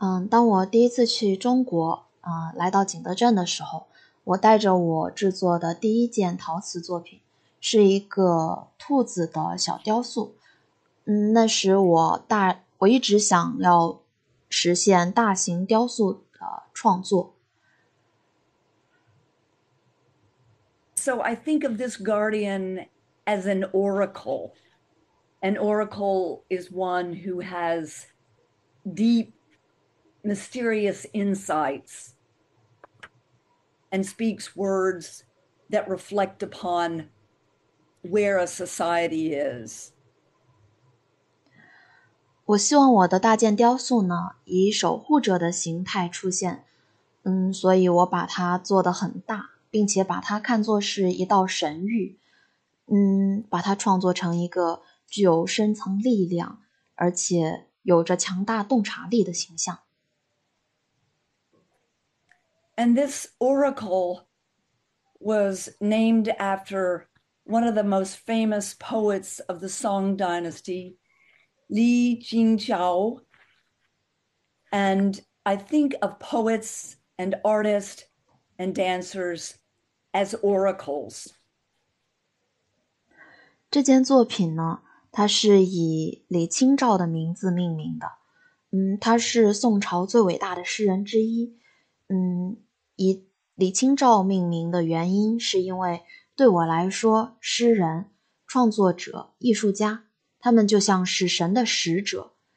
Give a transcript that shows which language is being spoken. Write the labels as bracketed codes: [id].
[zh] 当我第一次去中国，来到景德镇的时候，我带着我制作的第一件陶瓷作品，是一个兔子的小雕塑。那时我一直想要实现大型雕塑的创作。 [en] So I think of this guardian as an oracle. An oracle is one who has deep, mysterious insights and speaks words that reflect upon where a society is. [zh] 我希望我的大件雕塑呢，以守护者的形态出现。所以我把它做得很大，并且把它看作是一道神谕。把它创作成一个具有深层力量，而且有着强大洞察力的形象。 [en] And this oracle was named after one of the most famous poets of the Song Dynasty, Li Jingzhou. And I think of poets and artists and dancers as oracles. [zh] 这件作品呢，它是以李清照的名字命名的。他是宋朝最伟大的诗人之一。以李清照命名的原因是因为，对我来说，诗人、创作者、艺术家，他们就像是神的使者，